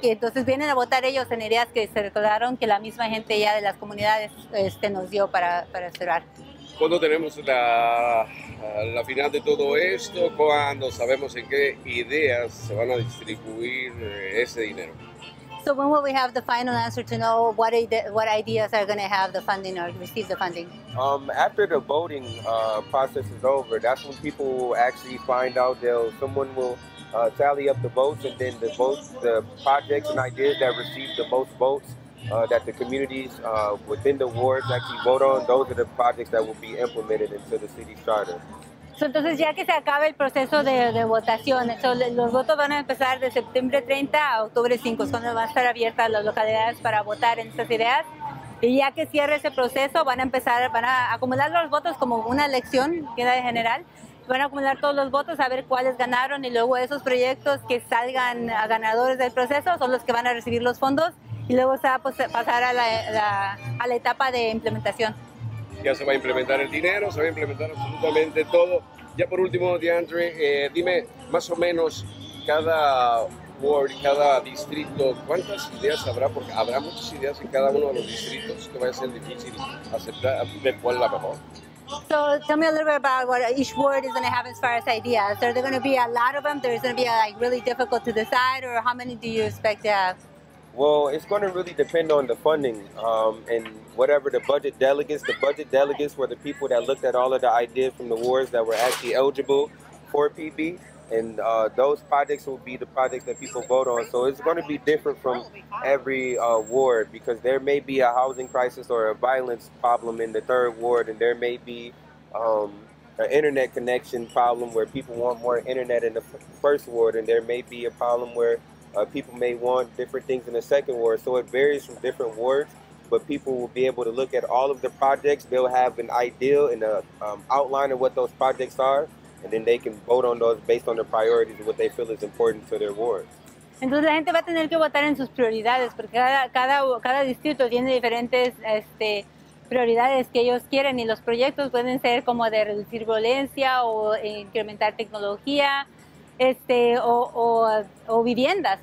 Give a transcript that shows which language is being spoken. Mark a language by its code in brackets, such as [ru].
[es] Que entonces vienen a votar ellos en ideas que se recordaron que la misma gente ya de las comunidades nos dio para cerrar. ¿Cuándo tenemos la final de todo esto? ¿Cuándo sabemos en qué ideas se van a distribuir ese dinero? [en] So when will we have the final answer to know what ideas are going to have the funding or receive the funding? After the voting process is over, that's when people will actually find out. Someone will tally up the votes, and then the projects and ideas that receive the most votes that the communities within the wards actually vote on, those are the projects that will be implemented into the city charter. [es] So, entonces ya que se acabe el proceso de votación, los votos van a empezar de septiembre 30 a octubre 5, es cuando van a estar abiertas las localidades para votar en estas ideas. Y ya que cierre ese proceso, van a acumular los votos como una elección que era de general. Van a acumular todos los votos, a ver cuáles ganaron y luego esos proyectos que salgan a ganadores del proceso son los que van a recibir los fondos y luego se va a pasar a la etapa de implementación. Ya se va a implementar el dinero, se va a implementar absolutamente todo. Ya por último, DeAndre, dime más o menos cada ward, cada distrito, ¿cuántas ideas habrá? Porque habrá muchas ideas en cada uno de los distritos que va a ser difícil aceptar, ver cuál es la mejor. [en] So tell me a little bit about what each ward is going to have as far as ideas. Are there going to be a lot of them? There's going to be really difficult to decide, or how many do you expect to have? Well, it's going to really depend on the funding and whatever the budget delegates. The budget delegates were the people that looked at all of the ideas from the wards that were actually eligible for PB. And those projects will be the projects that people vote on. So it's going to be different from every ward, because there may be a housing crisis or a violence problem in the third ward, and there may be an internet connection problem where people want more internet in the first ward, and there may be a problem where people may want different things in the second ward. So it varies from different wards, but people will be able to look at all of the projects. They'll have an idea and an outline of what those projects are. and then they can vote on those based on their priorities and what they feel is important to their ward. [es] Entonces la gente va a tener que votar en sus prioridades porque cada distrito tiene diferentes prioridades que ellos quieren y los proyectos pueden ser como de reducir violencia o incrementar tecnología o viviendas.